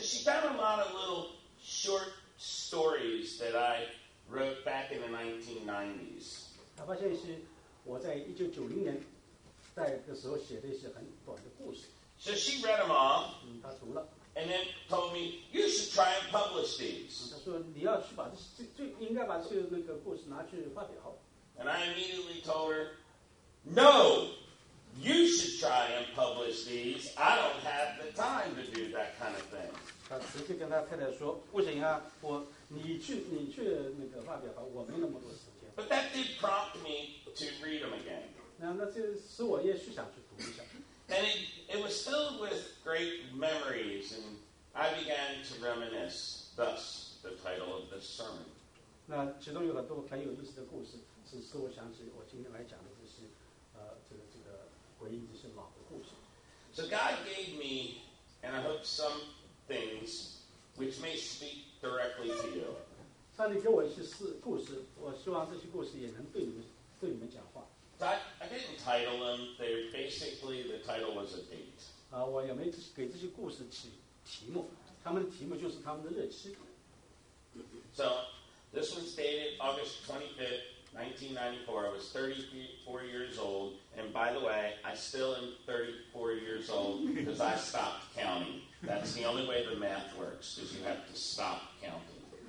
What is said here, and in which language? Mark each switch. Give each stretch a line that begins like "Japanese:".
English: she found a lot of little short stories that I wrote back in the 1990s.
Chinese: 她发现一些我在1990年在那个时候写的一些很短的故事。
English: So she read them all.
Chinese: 她读了。
English: And then told me, you should try and publish these.
Chinese: 她说你要去把这最应该把这个那个故事拿去发表。
English: And I immediately told her, no, you should try and publish these. I don't have the time to do that kind of thing.
Chinese: 她直接跟她太太说，不行啊，我你去那个发表吧，我没那么多时间。
English: But that did prompt me to read them again.
Chinese: 那就使我也许想去读一下。
English: And it was filled with great memories, and I began to reminisce, thus the title of this sermon.
Chinese: 那其中有很多很有意思的故事，是使我想起我今天来讲的这些，这个回忆这些老的故事。
English: So God gave me, and I hope some things which may speak directly to you.
Chinese: 上帝给我一些故事，我希望这些故事也能对你们讲话。
English: I didn't title them. They're basically the title was a date.
Chinese: 我也没给这些故事起题目，他们的题目就是他们的日期。
English: So this one's dated August 25th, 1994. I was 34 years old. And by the way, I still am 34 years old because I stopped counting. That's the only way the math works, is you have to stop counting.